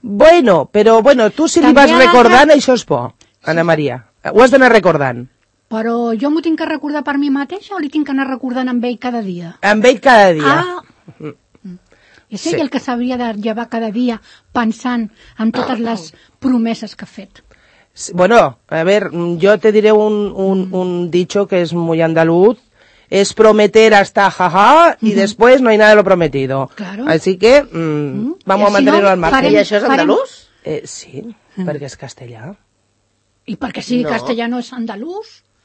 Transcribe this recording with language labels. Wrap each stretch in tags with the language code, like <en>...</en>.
<ca>Bueno, però bueno, tu si també li vas recordant, això és bo, Anna Maria. Ho has d'anar recordant. Però jo m'ho tinc que recordar per mi mateixa o li tinc que anar recordant amb ell cada dia? Amb ell cada dia. Ah. És ell el que s'hauria de llevar cada dia pensant en totes les promeses que ha fet.</ca> <es>Bueno, a ver, yo te diré un dicho que es muy andaluz, es prometer hasta jaja y después no hay nada de lo prometido. Claro. Así que vamos a mantenerlo al margen. ¿Y</es> <ca>això és andaluz? Sí, perquè és castellà.</ca> <es>¿Y</es> <ca>perquè sigui castellà no és andaluz?</ca>